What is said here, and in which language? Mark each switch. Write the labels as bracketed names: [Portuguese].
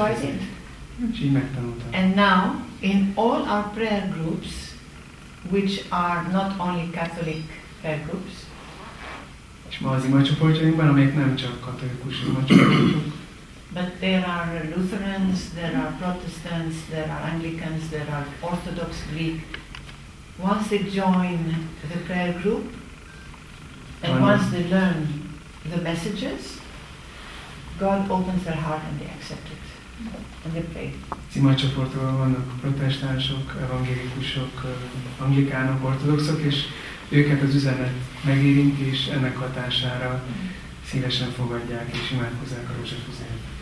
[English] And so I did. [Hungarian] És így megtanultam. [English] And now, in all our prayer groups, which are not only Catholic prayer groups, [Hungarian] és ma az imacsoportjainkban, amelyek nem csak katolikus imacsoportok. [English] But there are Lutherans, there are Protestants, there are Anglicans, there are Orthodox Greek. Once they join the prayer group, and once they learn the messages, God opens their heart and they accept it. And they pray. [Hungarian] Az imacsoportokban vannak protestánsok, evangélikusok, anglikánok, ortodoxok, és őket az üzenet megérint, és ennek hatására szívesen fogadják és imádkozzák a rózsafüzért.